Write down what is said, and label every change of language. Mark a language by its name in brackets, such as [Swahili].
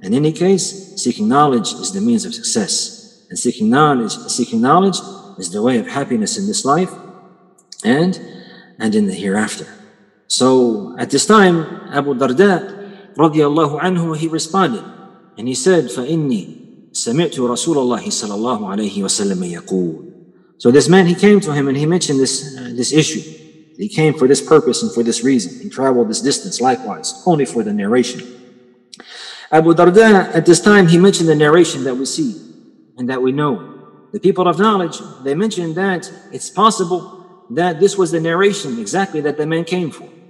[English] In any case, seeking knowledge is the means of success. And seeking knowledge is the way of happiness in this life and in the hereafter. So at this time, Abu Darda radiallahu anhu, he responded. And he said, [Arabic] فَإِنِّي سَمِعْتُ رَسُولَ اللَّهِ صَلَى اللَّهُ عَلَيْهِ وَسَلَّمَ يَقُولُ. [English] So this man, he came to him and he mentioned this issue. He came for this purpose and for this reason. He traveled this distance likewise, only for the narration. Abu Darda, at this time, he mentioned the narration that we see and that we know. The people of knowledge, they mentioned that it's possible that this was the narration exactly that the man came for.